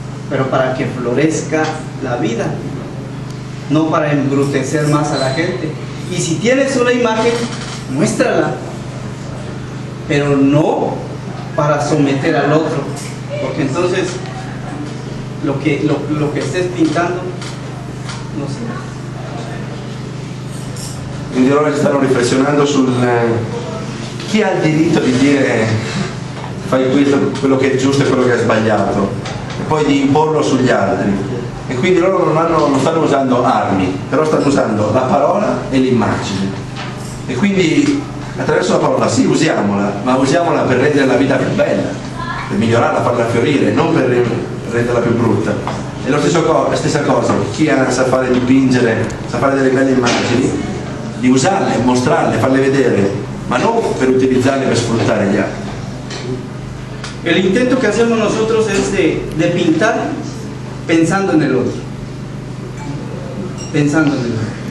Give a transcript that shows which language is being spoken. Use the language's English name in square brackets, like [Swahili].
[Spanish] Pero para que florezca la vida, no para embrutecer más a la gente. Y si tienes una imagen, muéstrala. Pero no para someter al otro. Porque entonces lo que estés pintando, no sé. [Italian] Quindi loro stanno riflessionando sul chi ha il diritto di dire fai questo, quello che è giusto e quello che è sbagliato, e poi di imporlo sugli altri. E quindi loro non stanno usando armi, però stanno usando la parola e l'immagine. E quindi attraverso la parola sì, usiamola, ma usiamola per rendere la vita più bella, per migliorarla, farla fiorire, non per renderla più brutta. E la stessa cosa, chi sa fare dipingere, sa fare delle belle immagini, di usarle, mostrarle, farle vedere, ma non per utilizzarle per sfruttare gli altri. [Spanish] El intento que hacemos nosotros es de pintar pensando en el otro. Pensando en el otro.